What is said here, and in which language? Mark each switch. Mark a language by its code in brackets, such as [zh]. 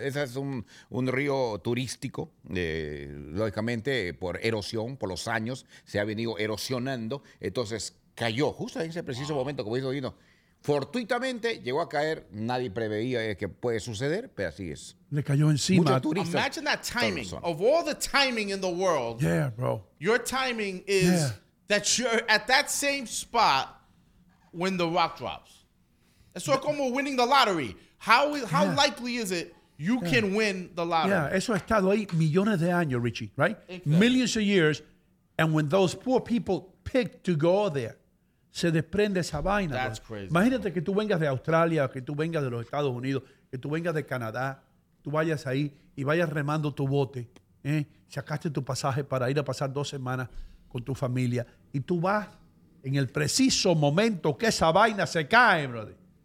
[es] Ese es un río turístico, lógicamente por erosión, por los años, se ha venido erosionando, entonces cayó, justo en ese preciso momento, como dijo Dino. Fortuitamente llegó a caer, nadie preveía que puede suceder, pero así es. Le cayó encima. [en] Imagine that timing. Of all the timing in the world. Yeah, bro. Your timing is that you're at that same spot when the rock drops. [es] Eso es como [en] winning the lottery. How likely is it you can win the lottery? [es] Yeah, eso ha estado ahí millones de años, Richie, right? [en] Exactly. Millions of years. And when those poor people pick to go there, [es] se desprende esa vaina. [en] That's crazy, [es] imagínate, bro, que tú vengas de Australia, que tú vengas de los Estados Unidos, que tú vengas de Canadá, tú vayas ahí y vayas remando tu bote, sacaste tu pasaje para ir a pasar 2 semanas con tu familia y tú vas en el preciso momento que esa vaina se cae, brother.